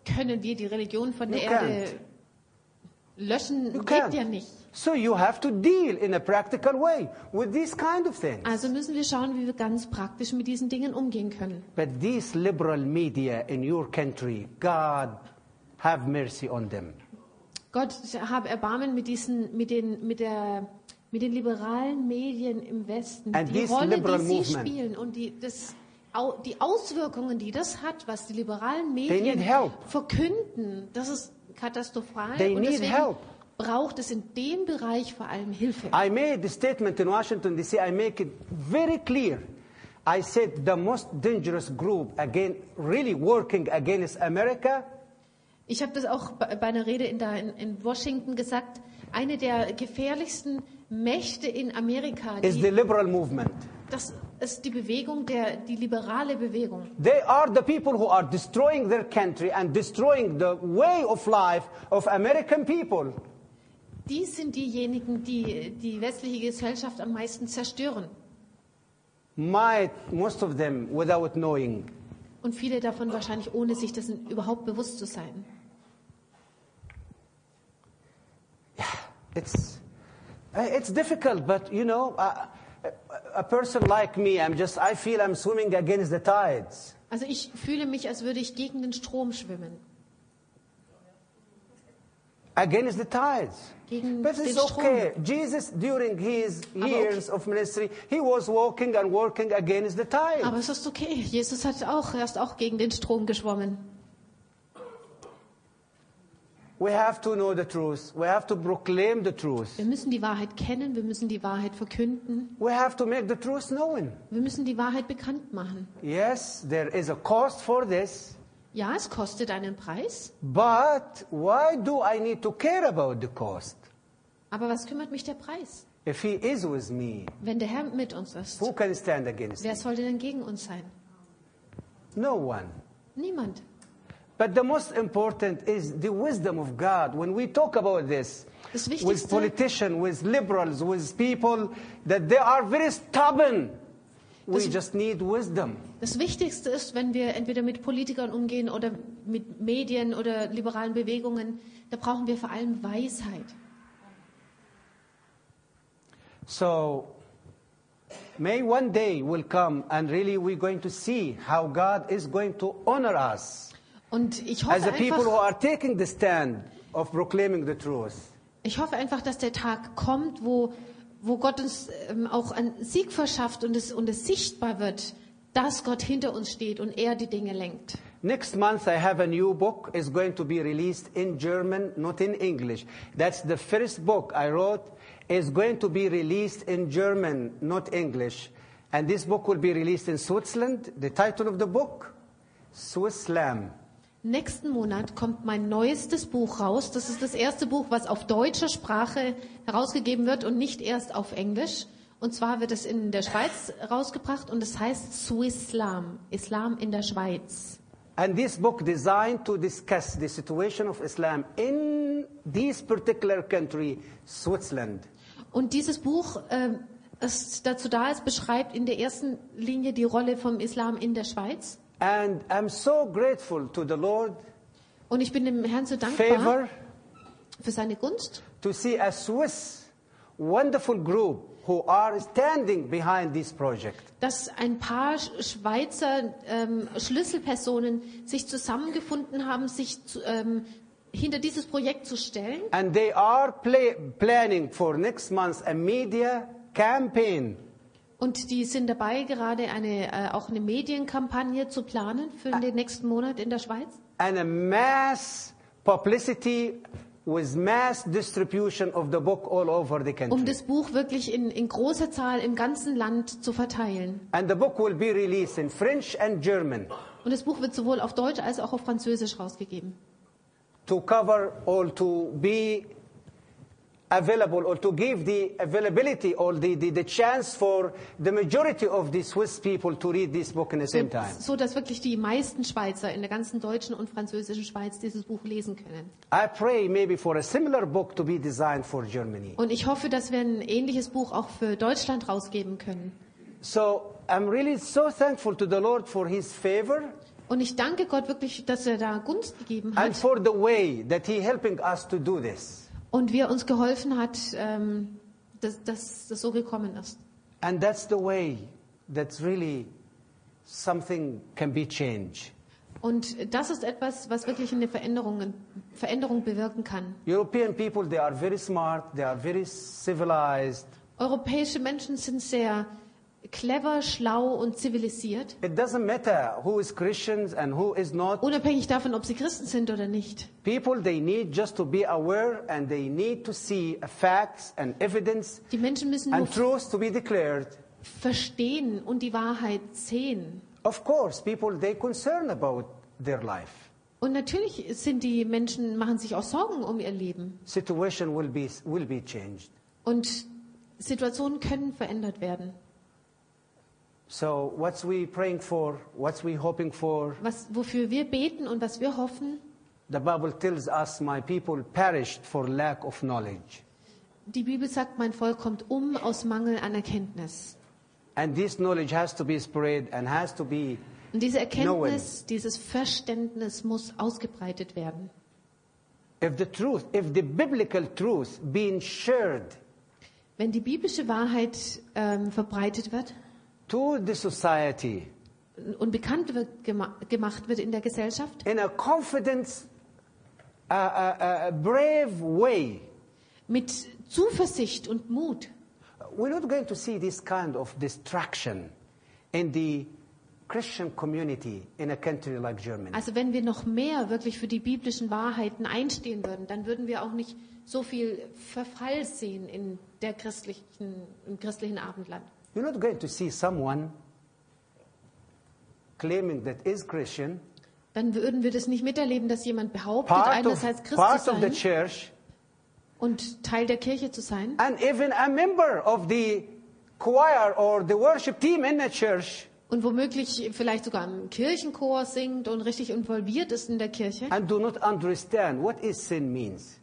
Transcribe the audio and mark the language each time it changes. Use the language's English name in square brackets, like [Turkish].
[German] Können wir die Religion von der Erde löschen? [English] You [German] geht [English] can't. [German] Ja nicht. [English] So you have to deal in a practical way with these kind of things. [German] Also müssen wir schauen, wie wir ganz praktisch mit diesen Dingen umgehen können. [English] But these liberal media in your country, God have mercy on them. [German] Gott hab Erbarmen mit diesen mit den liberalen Medien im Westen. [English] And [German] die Rolle, [English] liberal [German] die sie [English] movement. [German] Spielen und die das die Auswirkungen, die das hat, was die liberalen Medien verkünden, das ist katastrophal. [English] They [German] und [English] need help. [German] Braucht es in dem Bereich vor allem Hilfe. [English] I made a statement in Washington DC. I make it very clear. I said the most dangerous group again, really working against America. [German] Ich habe das auch bei einer Rede in Washington gesagt. Eine der gefährlichsten Mächte in Amerika [English] is the liberal movement. [German] Das ist die Bewegung, die liberale Bewegung. [English] They are the people who are destroying their country and destroying the way of life of American people. [German] Die sind diejenigen, die die westliche Gesellschaft am meisten zerstören. [English] Might, most of them without knowing. [German] Und viele davon wahrscheinlich ohne sich dessen überhaupt bewusst zu sein. [English] Yeah, it's difficult, but you know, a person like me, I feel I'm swimming against the tides. [German] Also ich fühle mich, als würde ich gegen den Strom schwimmen. [English] Against the tides. But it's okay. Jesus, during his years of ministry, he was walking and working against the tides. [German] Aber es ist okay. Jesus hat auch erst auch gegen den Strom geschwommen. [English] We have to know the truth. We have to proclaim the truth. [German] Wir müssen die Wahrheit kennen. Wir müssen die Wahrheit verkünden. [English] We have to make the truth known. [German] Wir müssen die Wahrheit bekannt machen. [English] Yes, there is a cost for this. [German] Ja, es kostet einen Preis. [English] But why do I need to care about the cost? [German] Aber was kümmert mich der Preis? [English] If he is with me, [German] wenn der Herr mit uns ist, [English] who can stand against [German] wer sollte denn gegen uns sein? [English] No one. [German] Niemand. [English] But the most important is the wisdom of God. When we talk about this, [German] das Wichtigste, [English] with politicians, with liberals, with people, that they are very stubborn. We just need wisdom. [German] Das Wichtigste ist, wenn wir entweder mit Politikern umgehen oder mit Medien oder liberalen Bewegungen, da brauchen wir vor allem Weisheit. [English] So, may one day will come and really we're going to see how God is going to honor us. [German] Und ich hoffe [English] as the people who are taking the stand of proclaiming the truth. [German] Ich hoffe einfach, dass der Tag kommt, wo Gott uns auch einen Sieg verschafft und es sichtbar wird, dass Gott hinter uns steht und er die Dinge lenkt. [English] Next month I have a new book, is going to be released in German, not in English. That's the first book I wrote, is going to be released in German, not English. And this book will be released in Switzerland. The title of the book, Swisslam. [German] Nächsten Monat kommt mein neuestes Buch raus. Das ist das erste Buch, was auf deutscher Sprache herausgegeben wird und nicht erst auf Englisch. Und zwar wird es in der Schweiz rausgebracht und es heißt Swisslam, Islam in der Schweiz. [English] And this book designed to discuss the situation of Islam in this particular country, Switzerland. [German] Und dieses Buch ist dazu da, es beschreibt in der ersten Linie die Rolle vom Islam in der Schweiz. [English] And I'm so grateful to the Lord. [German] Und ich bin dem Herrn so dankbar [English] favor [German] für seine Gunst. [English] To see a Swiss wonderful group who are standing behind this project. [German] Dass ein paar Schweizer Schlüsselpersonen sich zusammengefunden haben, sich hinter dieses Projekt zu stellen. [English] And they are planning for next month a media campaign. [German] Und die sind dabei, gerade eine auch eine Medienkampagne zu planen für den nächsten Monat in der Schweiz. [English] And a mass publicity with mass distribution of the book all over the country. [German] Um das Buch wirklich in großer Zahl im ganzen Land zu verteilen. [English] And the book will be released in French and German. [German] Und das Buch wird sowohl auf Deutsch als auch auf Französisch rausgegeben. [English] To cover all, to be available or to give the availability or the chance for the majority of the Swiss people to read this book in the same time. [German] So dass wirklich die meisten Schweizer in der ganzen deutschen und französischen Schweiz dieses Buch lesen können. [English] I pray maybe for a similar book to be designed for Germany. [German] Und ich hoffe, dass wir ein ähnliches Buch auch für Deutschland rausgeben können. [English] So I'm really so thankful to the Lord for his favor. [German] Und ich danke Gott wirklich, dass er da Gunst gegeben hat. [English] And for the way that he helping us to do this. [German] Und wie er uns geholfen hat, dass das so gekommen ist. [English] And that's the way that really something can be changed. [German] Und das ist etwas, was wirklich eine Veränderung bewirken kann. [English] European people, they are very smart, they are very civilized. [German] Europäische Menschen sind sehr clever, schlau und zivilisiert. [English] It doesn't matter who is Christians and who is not. [German] Unabhängig davon, ob sie Christen sind oder nicht. [English] People, they need just to be aware and they need to see facts and evidence. [German] Die Menschen müssen [English] and truth to be declared. [German] Verstehen und die Wahrheit sehen. [English] Of course, people, they concern about their life. [German] Und natürlich sind die Menschen machen sich auch Sorgen um ihr Leben. [English] Situation will be changed. [German] Und Situationen können verändert werden. [English] So what's we praying for? What's we hoping for? [German] Was wofür wir beten und was wir hoffen? [English] The Bible tells us my people perished for lack of knowledge. [German] Die Bibel sagt, mein Volk kommt aus Mangel an Erkenntnis. [English] And this knowledge has to be spread and has to be known. [German] Diese Erkenntnis, dieses Verständnis muss ausgebreitet werden. [English] If the biblical truth being shared. [German] Wenn die biblische Wahrheit verbreitet wird. [English] To the society, [German] und bekannt wird, gemacht wird in der Gesellschaft, [English] in a confident, brave way, [German] mit Zuversicht und Mut. [English] We're not going to see this kind of distraction in the Christian community in a country like Germany. [German] Also wenn wir noch mehr wirklich für die biblischen Wahrheiten einstehen würden, dann würden wir auch nicht so viel Verfall sehen in der christlichen im christlichen Abendland. [English] You're not going to see someone claiming that is Christian. [German] Dann würden wir das nicht miterleben, dass jemand behauptet, einerseits Christ zu sein [English] of the church, [German] und Teil der Kirche zu sein. [English] And even a member of the choir or the worship team in the church. [German] Und womöglich vielleicht sogar im Kirchenchor singt und richtig involviert ist in der Kirche. [English] And do not understand what is sin means.